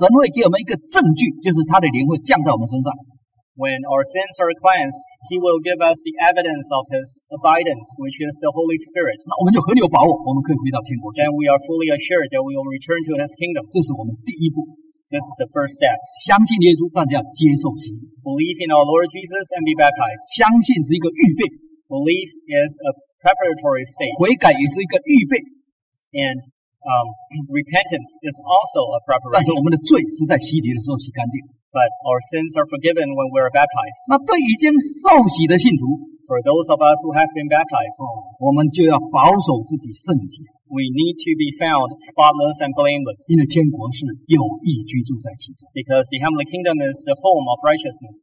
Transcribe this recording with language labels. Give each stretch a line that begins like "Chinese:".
Chinese: 那当我们的罪得洗干净之后，神会给我们一个证据，就是他的灵会降在我们身上。
English: When our sins are cleansed, He will give us the evidence of His abidance, which is the Holy Spirit.
Chinese: 那我们就很有把握，我们可以回到天国去。
English: Then we are fully assured that we will return to His kingdom.
Chinese: 这是我们第一步。
English: This is the first step.
Chinese: 相信耶稣，但是要接受洗礼。
English: Believe in our Lord Jesus and be baptized.
Chinese: 相信是一个预备。
English: Belief is a preparatory state.
Chinese: 悔改也是一个预备。
English: And repentance is also a preparation.
Chinese: 但是我们的罪是在洗礼的时候洗干净。
English: But our sins are forgiven when we are baptized.
Chinese: 那对已经受洗的信徒，
English: For those of us who have been baptized,
Chinese: 我们就要保守自己圣洁。
English: We need to be found spotless and blameless.
Chinese: 因为天国是有义居住在其中。
English: Because the heavenly kingdom is the home of righteousness.